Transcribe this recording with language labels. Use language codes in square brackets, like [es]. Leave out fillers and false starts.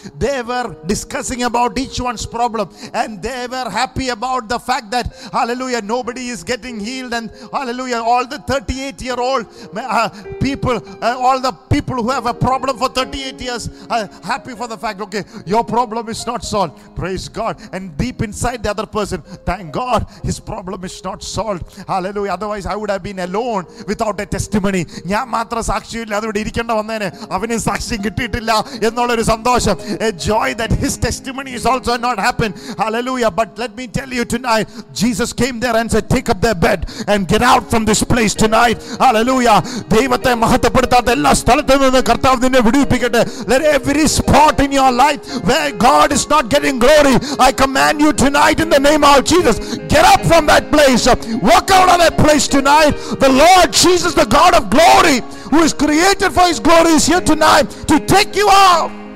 [en] They were discussing about each one's problem and they were happy about the fact that, hallelujah, nobody is getting healed, and hallelujah, all the 38 year old people who have a problem for 38 years are happy for the fact, okay, your problem is not solved. Praise God. And deep inside the other person, thank God his problem is not solved. Hallelujah. Otherwise I would have been alone without a testimony. [ml] ഞാൻ മാത്രം സാക്ഷിയില്ല, അതുകൊണ്ട് ഇരിക്കേണ്ട വന്നേനെ, അവനും സാക്ഷ്യം കിട്ടിയിട്ടില്ല എന്നുള്ളൊരു സന്തോഷം. [en] A joy that his testimony is also not happened. Hallelujah. But let me tell you tonight, Jesus came there and said, take up their bed and get out from this place tonight. Hallelujah. [ml] ദൈവത്തെ മഹത്വപ്പെടുത്താത്ത എല്ലാ സ്ഥലത്തു നിന്ന് കർത്താവ് നിന്നെ വിടുവിപ്പിക്കട്ടെ. [en] Let every spot in your life where God is not getting glory, I command you tonight in the name of Jesus, get up from that place. Walk out of that place tonight. The Lord Jesus, the God of glory, who is created for his glory, is here tonight to take you out.